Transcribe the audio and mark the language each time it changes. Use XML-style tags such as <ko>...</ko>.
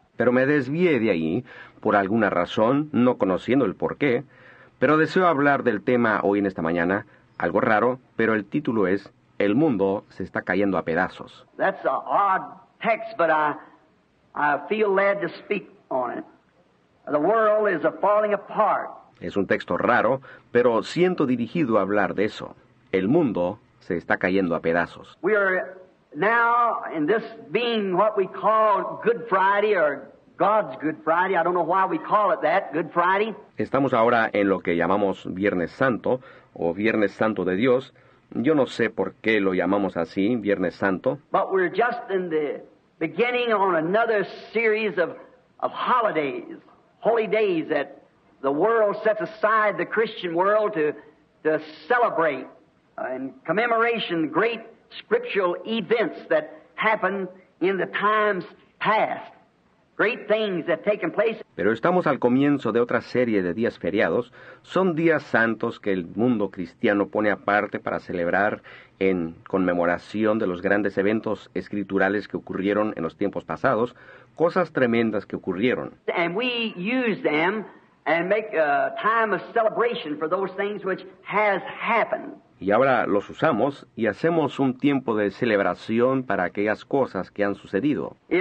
<es>Pero me desvié de ahí, por alguna razón, no conociendo el porqué, pero deseo hablar del tema hoy en esta mañana, algo raro, pero el título es, El Mundo Se Está Cayendo a Pedazos.</es> <en>That's an odd text, but I feel led to speak on it. The world is a falling apart.</en> <es>Es un texto raro, pero siento dirigido a hablar de eso. El mundo se está cayendo a pedazos.</es> <en>We are now in this being what we call Good Friday or God's Good Friday. I don't know why we call it that, Good Friday.</en> <es>Estamos ahora en lo que llamamos Viernes Santo o Viernes Santo de Dios. Yo no sé por qué lo llamamos así, Viernes Santo.</es> <en>But we're just in the beginning on another series of holidays, holy days that the world sets aside, the Christian world, to celebrate and commemoration great scriptural events that happened in the times past. Great things that taken place.</en> <es>Pero estamos al comienzo de otra serie de días feriados. Son días santos que el mundo cristiano pone aparte para celebrar en conmemoración de los grandes eventos escriturales que ocurrieron en los tiempos pasados, cosas tremendas que ocurrieron.</es> <en>And we use them and make a time of celebration for those things which has happened.</en> <es>Y ahora los usamos y hacemos un tiempo de celebración para aquellas cosas que han sucedido.</es>